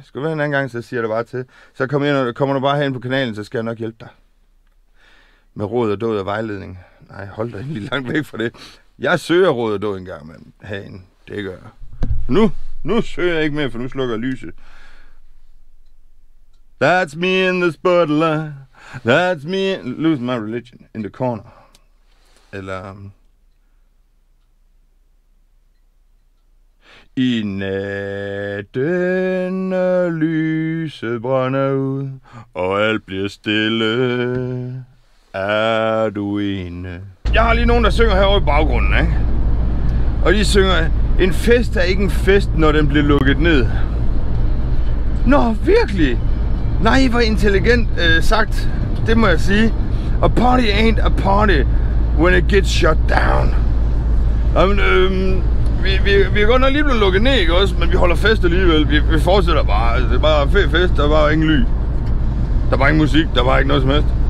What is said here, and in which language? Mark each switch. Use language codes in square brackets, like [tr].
[da] Skal du være en anden gang, så siger det bare til. Så kom ind, kommer du bare herind på kanalen, så skal jeg nok hjælpe dig. Med råd og død og vejledning. Nej, hold dig lige langt væk fra det. Jeg søger råd og død engang, men herinde, det gør jeg. Nu søger jeg ikke mere, for nu slukker jeg lyset. [en] That's me in the spotlight. That's me in... Lose my religion in the corner. Eller... [da] I natten er lyset brænder ud, og alt bliver stille. Er du ene? Jeg har lige nogen, der synger herovre i baggrunden, ikke? Og de synger, en fest er ikke en fest, når den bliver lukket ned. Nå, virkelig? Nej, I var intelligent sagt, det må jeg sige. [en] A party ain't a party, when it gets shut down. [da] Jamen, Vi er godt nok lige blevet lukket ned, ikke også? Men vi holder fest alligevel. Vi fortsætter bare. Altså, det er bare fed fest. Der er bare ingen lyd. Der er bare ingen musik. Der er bare ikke noget som helst.